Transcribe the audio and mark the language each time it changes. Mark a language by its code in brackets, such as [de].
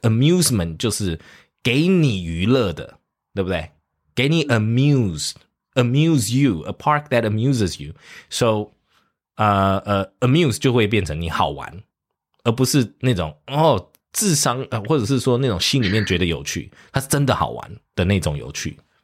[zh] Amusement 就是给你娱乐的，对不对？给你 amused. [en] Amuse you, a park that amuses you. [zh] So, amuse 就会变成你好玩，而不是那种哦智商，或者是说那种心里面觉得有趣，它是真的好玩的那种有趣。